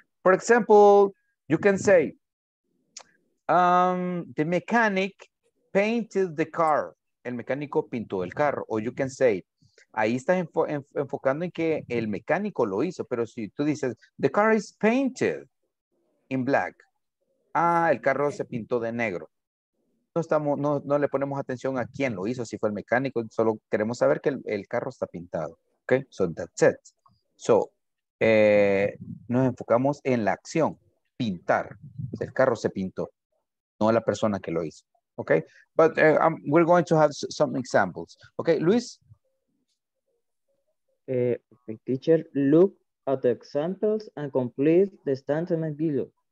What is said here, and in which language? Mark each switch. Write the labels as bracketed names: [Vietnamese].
[English] For example, you can say, the mechanic painted the car. [Spanish] El mecánico pintó el carro. O [English] you can say, [Spanish] ahí estás enfocando en que el mecánico lo hizo. Pero si tú dices, [English] the car is painted in black. [Spanish] El carro se pintó de negro. No le ponemos atención a quién lo hizo, si fue el mecánico, solo queremos saber que el carro está pintado. [English] Okay, so that's it. [Spanish] So, nos enfocamos en la acción, pintar. El carro se pintó, no la persona que lo hizo. [English] Okay, but we're going to have some examples. Okay, Luis. Teacher, look at the examples and complete the statement below.